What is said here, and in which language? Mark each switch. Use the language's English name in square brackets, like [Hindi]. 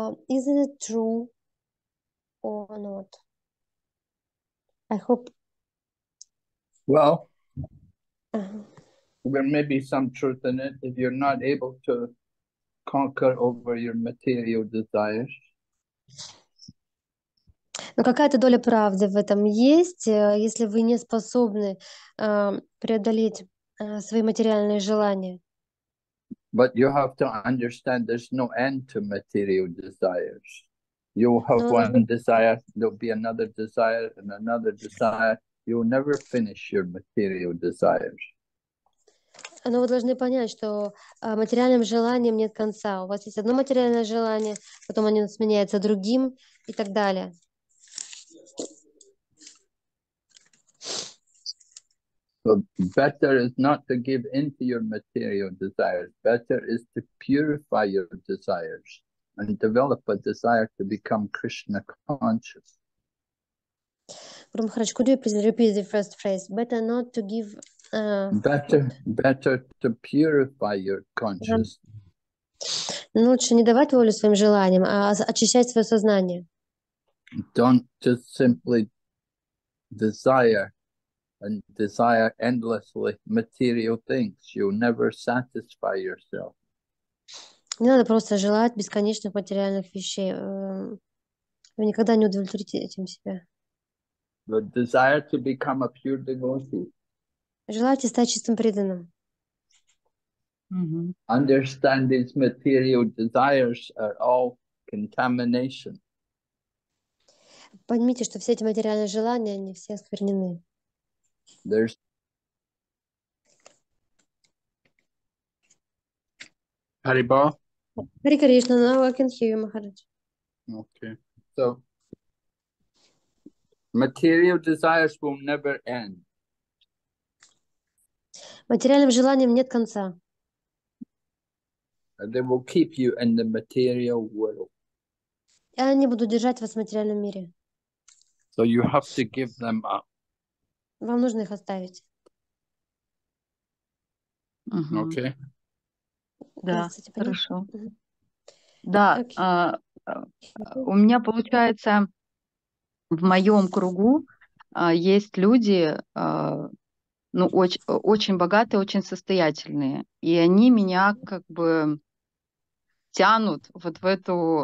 [English] Isn't it true or not? I hope. Well, there may be some truth in it. If you're not able to conquer over your material desires, [Russian] но какая-то доля правды в этом есть, если вы не способны преодолеть свои материальные желания. [English] But you have to understand there's no end to material desires. You have one desire, there'll be another desire and another desire. You will never finish your material desires. [Russian] Но вы должны понять, что материальным желанием нет конца. У вас есть одно материальное желание, потом оно сменяется другим и так далее. [English] So better is not to give in to your material desires. Better is to purify your desires and develop a desire to become Krishna conscious. Guru Maharaj, could you please repeat the first phrase? Better not to give... Better to purify your consciousness. [Russian] Ну, лучше не давать волю своим желаниям, а очищать свое сознание. [English] Don't just simply desire and desire endlessly material things. You'll never satisfy yourself. [Russian] Не надо просто желать бесконечных материальных вещей. Вы никогда не удовлетворите этим себя. [English] The desire to become a pure devotee. [Russian] Желайте стать чистым преданным. [English] Understand these material desires are all contamination. [Russian] Поймите, что все эти материальные желания, они все осквернены. Хариба? [English] Хари Кришна, now I can hear you, Махарадж. Okay. So, material desires will never end. [Russian] Материальным желаниям нет конца. [English] They will keep you in the material world. [Russian] Я не буду держать вас в материальном мире. [English] So you have to give them up. [Russian] Вам нужно их оставить. [English] Okay. [Russian] Да, хорошо. Да, у меня получается, в моем кругу есть люди, ну, очень богатые, очень состоятельные, и они меня как бы тянут вот в эту...